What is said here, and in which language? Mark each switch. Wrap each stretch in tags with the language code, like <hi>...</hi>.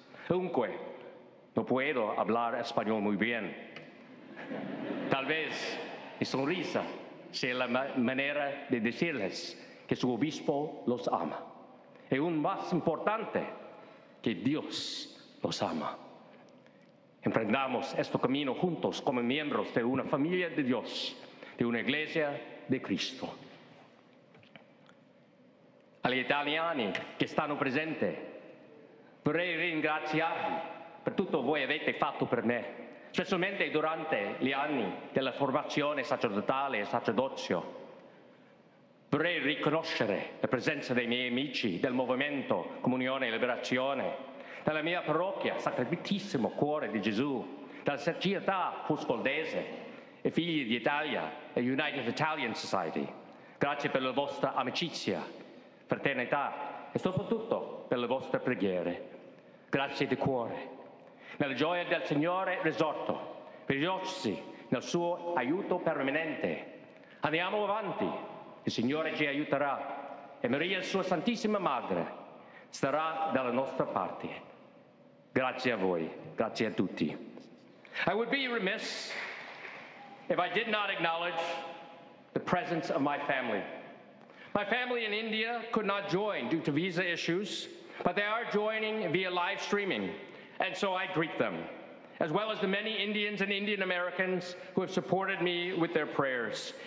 <es>Aunque no puedo hablar español muy bien, tal vez mi sonrisa sea la manera de decirles que su obispo los ama. Y aún más importante, que Dios los ama. Emprendamos este camino juntos como miembros de una familia de Dios, de una iglesia de Cristo. A los italianos que están presentes,</es> <it>vorrei ringraziarvi per tutto voi avete fatto per me, specialmente durante gli anni della formazione sacerdotale e sacerdozio. Vorrei riconoscere la presenza dei miei amici del Movimento Comunione e Liberazione, della mia parrocchia Sacrificissimo Cuore di Gesù, della Società Fuscoldese e Figli d'Italia, e United Italian Society. Grazie per la vostra amicizia, fraternità e soprattutto per le vostre preghiere. Grazie di cuore. Nella gioia del Signore risorto, per gli ossi nel suo aiuto permanente. Andiamo avanti. Il Signore ci aiuterà e Maria, sua Santissima Madre, starà dalla nostra parte. Grazie a voi, grazie a tutti.</it> <en>I would be remiss if I did not acknowledge the presence of my family. My family in India could not join due to visa issues, but they are joining via live streaming, and so I greet them, as well as the many Indians and Indian Americans who have supported me with their prayers.</en>